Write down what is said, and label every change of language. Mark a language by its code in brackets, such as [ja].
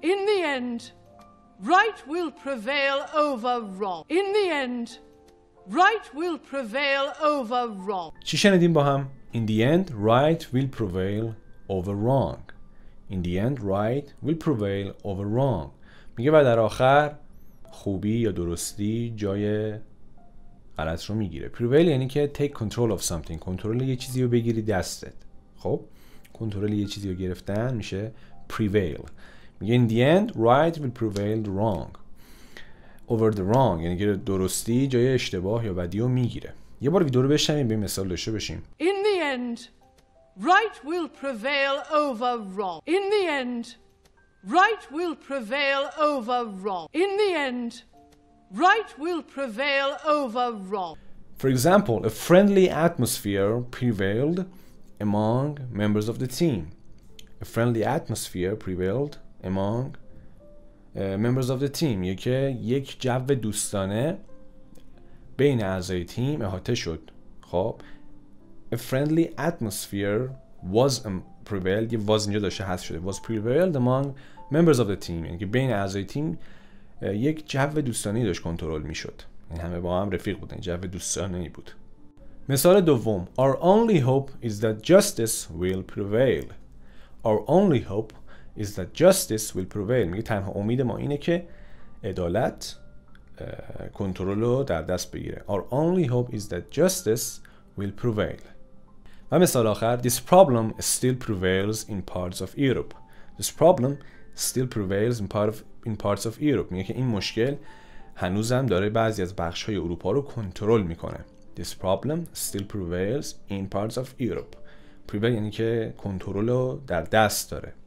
[en] In the end, right will prevail over wrong. In the end, right will prevail over wrong. [fa] چی شنیدیم با هم؟ [en] In the end, right will prevail over wrong. In the end, right will prevail over wrong. [fa] میگه و در آخر خوبی یا درستی جای غلط رو میگیره. [en] Prevail [fa] یعنی که [en] take control of something. [fa] کنترل یه چیزی رو بگیری دستت. خب کنترل یه چیزی رو گرفتن میشه prevail. میگه [en] in the end, right will prevail wrong. Over the wrong [fa] یعنی که درستی جای اشتباه یا بدی رو میگیره. یه بار ویدیو رو بشنویم به مثال داشته باشیم. [en] In the end, right will prevail over wrong. In the end, right will prevail over wrong. In the end, right will prevail over wrong. For example, a friendly atmosphere prevailed among members of the team. A friendly atmosphere prevailed among members of the team. [fa] یک جو دوستانه بین اعضای تیم احاطه شد. خب [en] a friendly atmosphere was prevailed. [fa] یه was اینجا داشته حذف شده. [en] Was prevailed among members of the team. [fa] یعنی که بین اعضای تیم یک جو دوستانه‌ای داشت کنترل میشد. یعنی همه با هم رفیق بودن. جو دوستانه‌ای بود. مثال دوم. [en] Our only hope is that justice will prevail. Our only hope is that justice will prevail. [fa] میگه تنها امید ما اینه که عدالت کنترل رو در دست بگیره. [en] Our only hope is that justice will prevail. [fa] و مثال آخر. [en] This problem still prevails in parts of Europe. This problem still prevails in parts of Europe. [fa] میگه که این مشکل هنوزم داره بعضی از بخش‌های اروپا رو کنترل میکنه. [en] This problem still prevails in parts of Europe. [fa] Prevail یعنی که کنترل رو در دست داره.